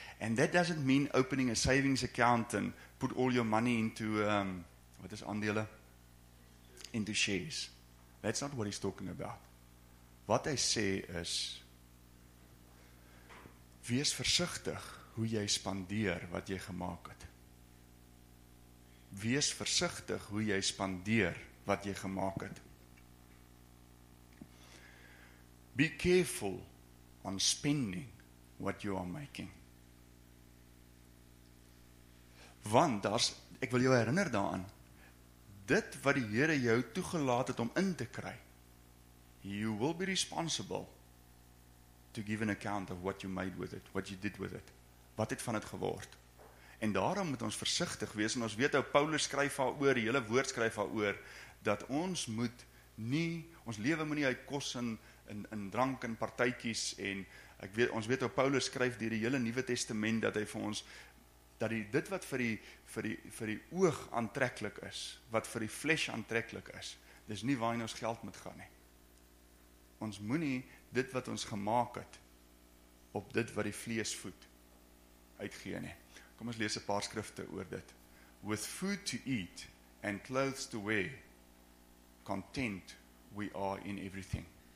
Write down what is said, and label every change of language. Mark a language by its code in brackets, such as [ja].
[en] And that doesn't mean opening a savings account and put all your money into, what is aandele? Into shares. That's not what he's talking about. [af] Wat hy sê is, wees versigtig hoe jy spandeer wat jy gemaak het. Wees versigtig hoe jy spandeer wat jy gemaak het. [en] Be careful on spending what you are making. [af] Want daar's, ek wil jou herinner daaraan, dit wat die Here jou toegelaat het om in te kry, [en] you will be responsible to give an account of what you made with it, [af] what you did with it, wat het van het geword. En daarom moet ons versigtig wees, en ons weet hoe Paulus skryf daar oor, die hele woord skryf daar oor, dat ons moet nie, ons lewe moet nie uit kos en drank en partytjies en ek weet, ons weet hoe Paulus skryf deur die hele Nuwe Testament dat hy vir ons dat die dit wat vir die oog aantreklik is, wat vir die flesh aantreklik is, dis nie waar ons geld moet gaan nie. Ons moenie dit wat ons gemaak het op dit wat die vlees voed uitgee nie. Kom ons lees 'n paar skrifte oor dit. [en] With food to eat and clothes to wear, content we are in everything.